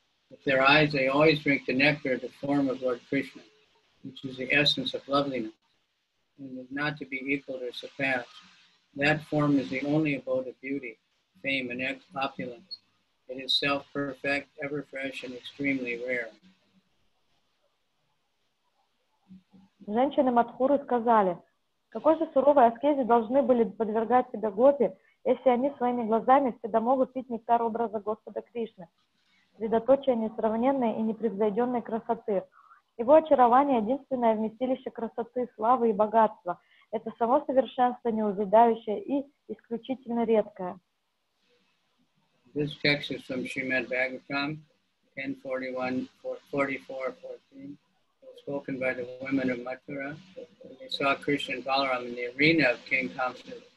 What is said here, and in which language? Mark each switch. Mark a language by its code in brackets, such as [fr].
[en] With their eyes, they always drink the nectar of the form of Lord Krishna, which is the essence of loveliness, and is not to be equaled or surpassed. That form is the only abode of beauty, fame, and opulence. It is self-perfect, ever-fresh, and extremely rare. [ru] Женщины Мадхуры сказали, какой же суровой аскезе должны были подвергать себя гопи, если они своими глазами всегда могут пить нектар образа Господа Кришны, средоточие несравненной и непревзойденной красоты. Его очарование — единственное вместилище красоты, славы и богатства. Это само совершенство, неувядающее и исключительно редкое. [en] This text is from Srimad Bhagavatam, 10.41-44.14, spoken by the women of Mathura. They saw Krishna and Balaram in the arena of King Kamsa.